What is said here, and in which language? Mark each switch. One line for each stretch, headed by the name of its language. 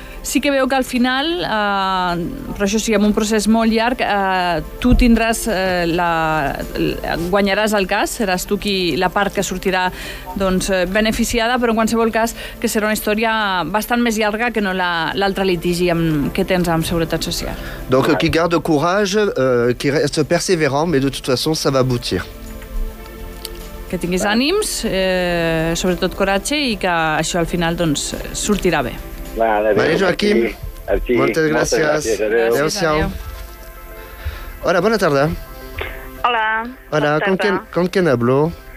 Catalan: Sí que veu que al final, però això sí, amb un procés molt llarg, tu tindràs, guanyaràs el cas, seràs tu qui, la part que sortirà doncs, beneficiada, però en qualsevol cas que serà una història bastant més llarga que no l'altre litigi que tens amb Seguretat Social.
French: Donc, qui garde courage, qui reste persévérant, mais de toute façon, ça va aboutir.
Catalan: Que tinguis ànims, sobretot coratge, i que això al final doncs, sortirà bé. Vale, Joaquim. Moltes gràcies. Adéu-siau. Hola, bona tarda. Hola. Hola, com que n'hablo?